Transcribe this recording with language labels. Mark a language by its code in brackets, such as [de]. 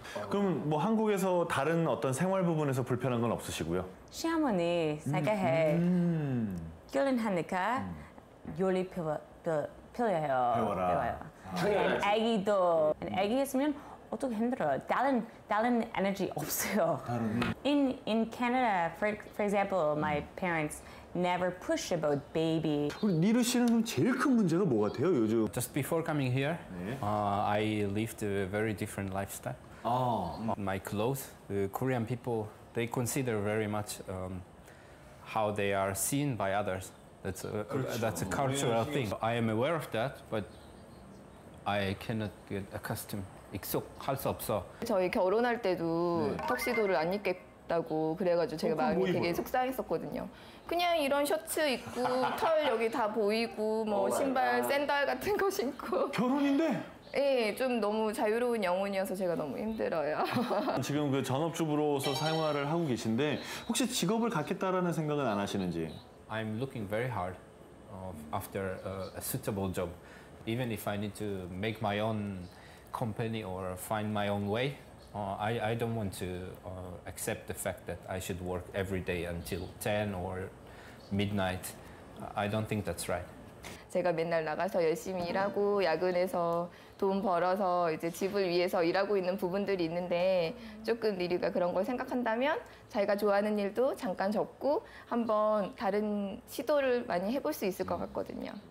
[ko] 그럼 뭐 한국에서 다른 어떤 생활 부분에서 불편한 건 없으시고요? 시어머니 생각해. 결혼하니까 요리 필요해요. 배워라. 아기도. 아기 있으면 어떻게 힘들어? 다른 에너지 없어요. 다른 in [en] Canada, for example, my parents never push about baby. [ko] 니르 씨는 제일 큰 문제가 뭐 같아요, 요즘? [en] Just before coming here, 네. I lived a very different lifestyle. [ko] 아. [en] My clothes, the Korean people, they consider very much how they are seen by others. That's a cultural thing. I am aware of that, but I cannot get accustomed. [ko] 익숙할 수 없어. 저희 결혼할 때도 네. 턱시도를 안 입겠다고 그래가지고 제가 마음이 되게 보여. 속상했었거든요. 그냥 이런 셔츠 입고 털 여기 다 보이고 뭐 신발 샌들 같은 거 신고. 결혼인데? 네, 좀 너무 자유로운 영혼이어서 제가 너무 힘들어요. 지금 그 전업주부로서 생활을 하고 계신데 혹시 직업을 갖겠다라는 생각은 안 하시는지? [en] I'm looking very hard after a suitable job. Even if I need to make my own company or find my own way. I don't want to accept the fact that I should work every day until 10 or midnight. I don't think that's right. [ko] 제가 맨날 나가서 열심히 일하고 야근해서 돈 벌어서 이제 집을 위해서 일하고 있는 부분들이 있는데 조금 리류가 그런 걸 생각한다면 자기가 좋아하는 일도 잠깐 접고 한번 다른 시도를 많이 해볼 수 있을 것 같거든요.